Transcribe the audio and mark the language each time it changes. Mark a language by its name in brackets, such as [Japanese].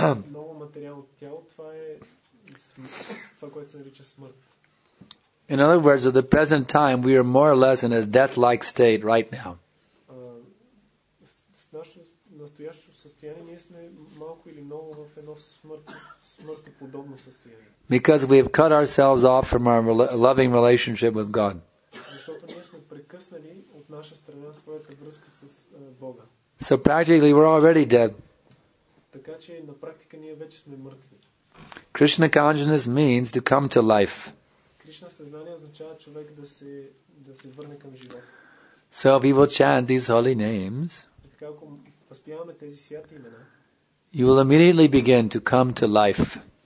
[Bulgarian] Ново материално тяло, това е това, което се нарича смърт. [English] In other words, at the present time, we are more or less in a death-like state right now. [Bulgarian] В нашето настоящо състояние ние сме малко или много в едно смъртоподобно състояние. [English] Because we have cut ourselves off from our loving relationship with God. [Bulgarian] Защото ние сме прекъснали от наша страна своята връзка с Бога. [English] So practically we're already dead. [Bulgarian] Така че на практика ние вече сме мъртви. [English] Krishna consciousness means to come to life. [Bulgarian] Кришна съзнание означава човек да се върне към живота. [English] So if you will chant these holy names, [Bulgarian] така ако възпяваме тези святи имена, [English] you will immediately begin to come to life.